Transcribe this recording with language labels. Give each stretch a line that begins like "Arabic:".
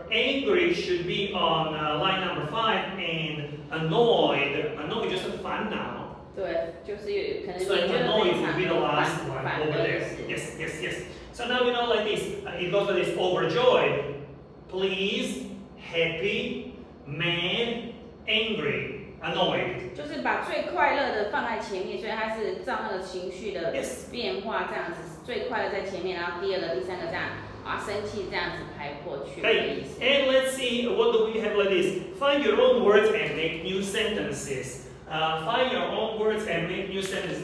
English: Angry should be on line number 5 and annoyed just
Chinese: 烦恼对就是可能所以
English: annoyed would be the last one over there yes so now we know like this it goes like this overjoyed pleased happy mad angry annoyed
Chinese: 就是把最快乐的放在前面所以它是照那个情绪的变化、
English: yes.
Chinese: 这样子最快乐在前面然后第二个第三个这样啊，生气这样子排过去的意思。
English: Hey, and let's see what do we have like this. Find your own words and make new sentences. Find your own words and make new sentences.